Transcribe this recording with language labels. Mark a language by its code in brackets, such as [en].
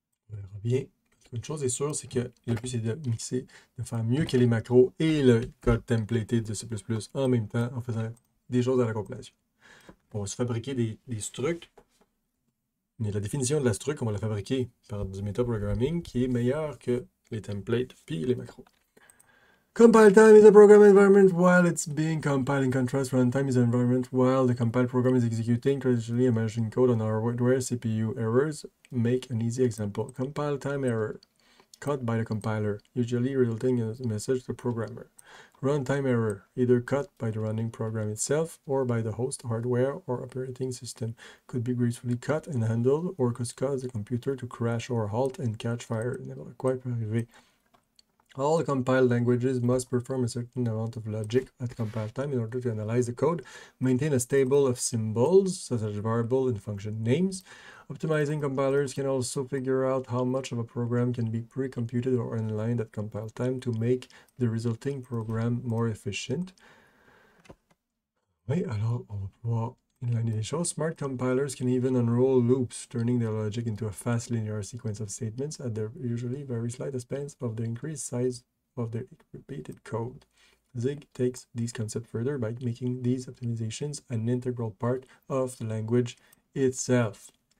[fr] Verra bien. Une chose est sûre, c'est que le but, c'est de mixer, de faire mieux que les macros et le code templated de C++ en même temps en faisant des choses à la compilation. On va se fabriquer des structs. Mais la définition de la struct, on va la fabriquer par du metaprogramming qui est meilleur que les templates puis les macros. [en] Compile time is a program environment while it's being compiled. In contrast, runtime is an environment while the compiled program is executing. Traditionally, a machine code on our hardware, CPU errors make an easy example. Compile time error caught by the compiler, usually resulting in a message to the programmer. Runtime error, either caught by the running program itself or by the host hardware or operating system, could be gracefully cut and handled or could cause the computer to crash or halt and catch fire. Never quite arrivé. All compiled languages must perform a certain amount of logic at compile time in order to analyze the code, maintain a stable of symbols, such as variable and function names. Optimizing compilers can also figure out how much of a program can be pre-computed or inlined at compile time to make the resulting program more efficient. [fr] Oui, alors on va pouvoir inliner les choses. [en] Smart compilers can even unroll loops, turning their logic into a fast linear sequence of statements at the usually very slight expense of the increased size of their repeated code. Zig takes these concepts further by making these optimizations an integral part of the language itself.